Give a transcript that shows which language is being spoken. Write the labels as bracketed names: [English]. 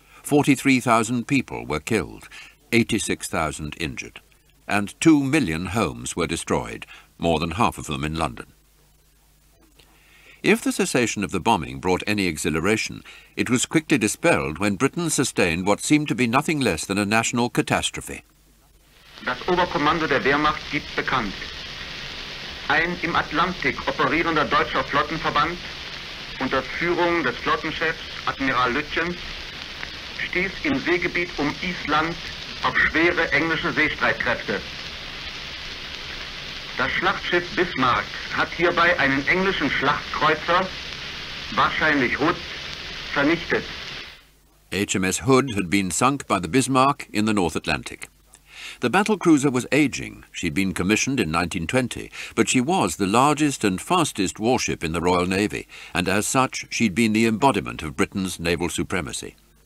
[English] 43,000 people were killed, 86,000 injured, and 2 million homes were destroyed, more than half of them in London. If the cessation of the bombing brought any exhilaration, it was quickly dispelled when Britain sustained what seemed to be nothing less than a national catastrophe. [German] Das Oberkommando der Wehrmacht gibt bekannt. Ein im Atlantik operierender deutscher Flottenverband unter Führung des Flottenchefs Admiral Lütjens stieß im Seegebiet um Island auf schwere englische Seestreitkräfte. Das Schlachtschiff Bismarck hat hierbei einen englischen Schlachtkreuzer, wahrscheinlich Hood, vernichtet. [English] HMS Hood had been sunk by the Bismarck in the North Atlantic. The battlecruiser was aging. She'd been commissioned in 1920, but she was the largest and fastest warship in the Royal Navy, and as such, she'd been the embodiment of Britain's naval supremacy.